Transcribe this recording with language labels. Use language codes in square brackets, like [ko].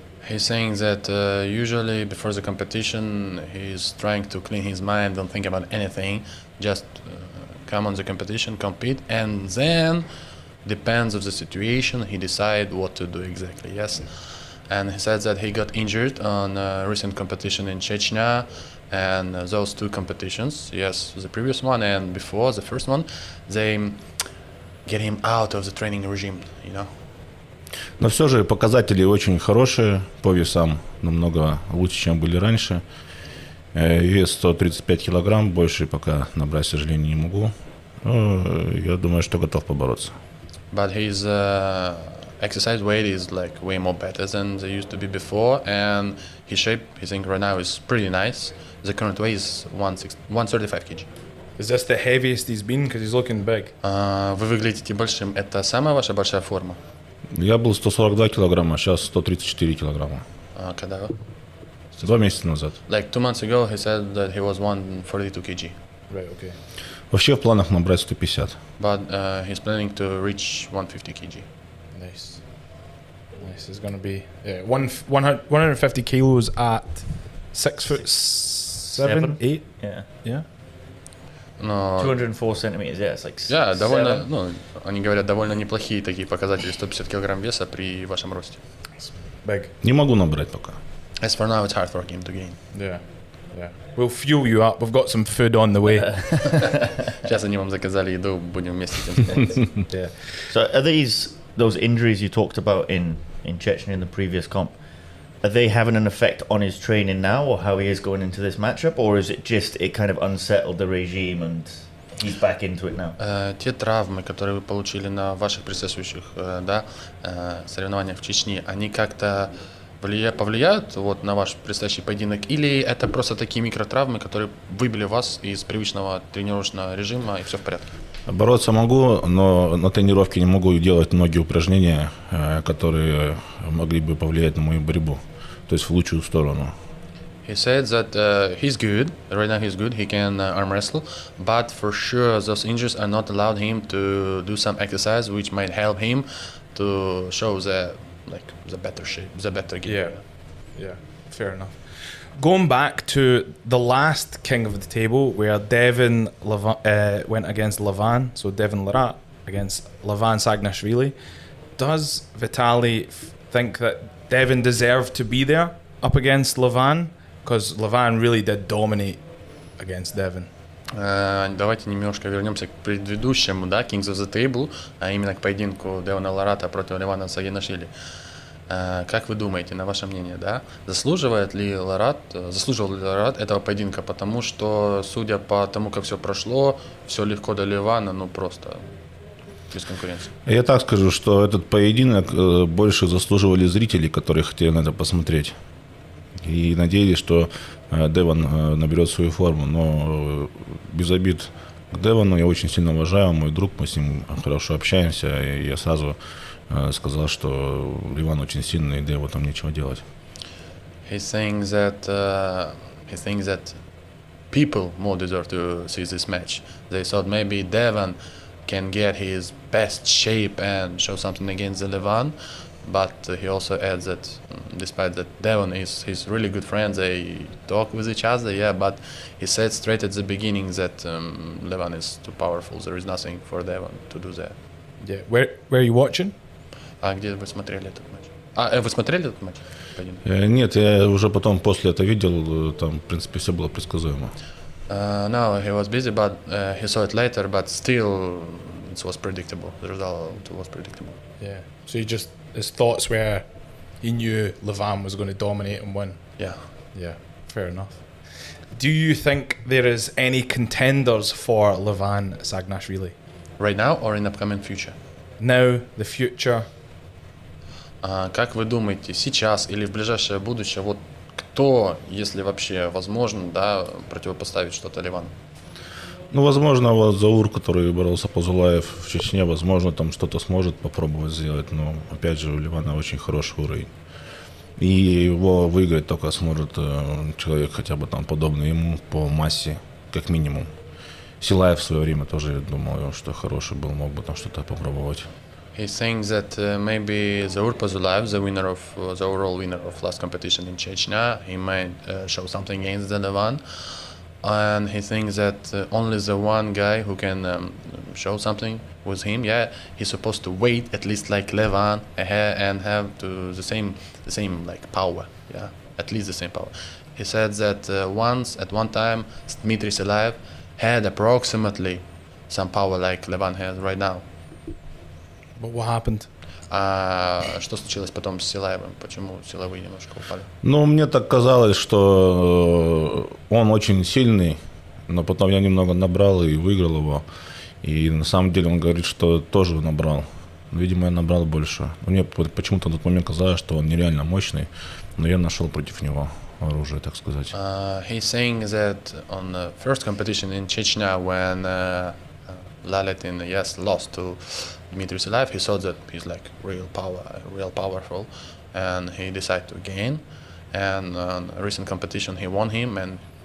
[en] He's saying that usually before the competition he's trying to clean his mind, don't think about anything, just come on the competition, compete, and then depends of the situation, he decides what to do exactly, yes. And he said that he got injured on a recent competition in Chechnya, and those two competitions, yes, the previous one and before, the first one, they get him out of the training regime, you know. [ru] Но все же показатели очень хорошие по весам, намного лучше, чем были раньше. Вес 135 килограмм, больше пока набрать, к сожалению, не могу. Но я думаю, что готов побороться. [en] But his exercise weight is like way more better than they used to be before, and his shape, I think, right now is pretty nice. The current weight is 135 kg. Is this the heaviest he's been? Because he's looking big. [ru] Вы выглядите большим. Это самая ваша большая форма? Я был 142 килограмма, сейчас 134 килограмма. Когда? 2 месяца назад. [en] Like 2 months ago, he said that he was 142 kg. Right, okay. Вообще в планах набрать 150. But he's planning to reach 150 kg. Nice. This is going to be 150 kilos at 6'7", 8? Yeah. No. 204 centimeters, yeah, it's like 6'7". [ru] Yeah, довольно, ну, они говорят, довольно неплохие такие показатели, 150 килограмм веса при вашем росте. [en] Big. [ru] Не могу набрать пока. [en] As for now, it's hard for him to gain. Yeah. We'll fuel you up. We've got some food on the way. [ru] Сейчас они вам заказали еду, будем вместе тем. [en] Yeah. So are these those injuries you talked about in Chechnya in the previous comp, are they having an effect on his training now or how he is going into this matchup, or is it just it kind of unsettled the regime and he's back into it now? [ru] Те травмы, которые вы получили на ваших предшествующих соревнованиях в Чечне, они как-то повлияют вот на ваш предстоящий поединок, или это просто такие микротравмы, которые выбили вас из привычного тренировочного режима и все в порядке? Бороться могу, но на тренировке не могу делать многие упражнения, которые могли бы повлиять на мою борьбу, то есть в лучшую сторону. [en] He said that he's good, right now he's good, he can arm wrestle, but for sure those injuries are not allowed him to do some exercise, which might help him to show the, like, the better shape, the better game. Yeah, yeah, fair enough. Going back to the last king of the table, where Devin went against Levan, so Devin Larat against Levan Sagnashvili, does Vitaly think that Devin deserved to be there up against Levan? Because Levan really did dominate against Devin. [ru] Давайте немножко вернемся к предыдущему, да, Kings of the Table, а именно к поединку Девина Ларата против Левана Сагнашвили. Как вы думаете, на ваше мнение, да, заслуживал ли Ларат этого поединка, потому что, судя по тому, как все прошло, все легко для Левана, ну просто без конкуренции. Я так скажу, что этот поединок больше заслуживали зрители, которые хотели на это посмотреть, и надеялись, что Деван наберет свою форму, но без обид к Девану, я очень сильно уважаю, мой друг, мы с ним хорошо общаемся, и я сразу сказал, что Леван очень сильный, Деву там нечего делать. [en] He's saying that he thinks that people more deserve to see this match. They thought maybe Devan can get his best shape and show something against Levan, but he also adds that despite that Devan is his really good friend, they talk with each other, yeah, but he said straight at the beginning that Levan is too powerful, there is nothing for Devan to do there. Yeah, where are you watching? [ru] А где вы смотрели этот матч? А, вы смотрели этот матч? Нет, я уже потом после этого видел, там, в принципе, все было предсказуемо. [en] No, he was busy, but he saw it later, but still it was predictable. The result was predictable. Yeah. So he just his thoughts were he knew Levan was going to dominate and win. Yeah. Yeah. Fair enough. Do you think there is any contenders for Levan Sagnashvili? Right now or in the upcoming future? Now, the future. [ru] Как вы думаете, сейчас или в ближайшее будущее, вот кто, если вообще возможно, да, противопоставить что-то Ливану? Ну, возможно, вот Заур, который боролся по Зулаев в Чечне, возможно, там что-то сможет попробовать сделать, но, опять же, у Ливана очень хороший уровень. И его выиграть только сможет человек хотя бы там подобный ему по массе, как минимум. Силаев в свое время тоже, я думаю, что хороший был, мог бы там что-то попробовать. [en] He's saying that maybe Zaur Pozulaev, the winner of the overall winner of last competition in Chechnya, he might show something against the Levan. And he thinks that only the one guy who can show something with him, yeah, he's supposed to wait at least like Levan and have to the same like power, yeah, at least the same power. He said that once at one time Dmitry Silaev had approximately some power like Levan has right now. But what happened? [ru] Что случилось потом с Силаевым? Почему силовые немножко упали? Ну, мне так казалось, что он очень сильный, но потом я немного набрал и выиграл его. И на самом деле он говорит, что тоже набрал. Видимо, я набрал больше. Мне почему-то на тот момент казалось, что он нереально мощный, но я нашел против него оружие, так сказать. [en] He's saying that on the first competition in Chechnya, when Laletin, yes, lost to Dmitry Silaev, he saw that he's like real power, real powerful, and he decided to gain. And recent competition, he won him, and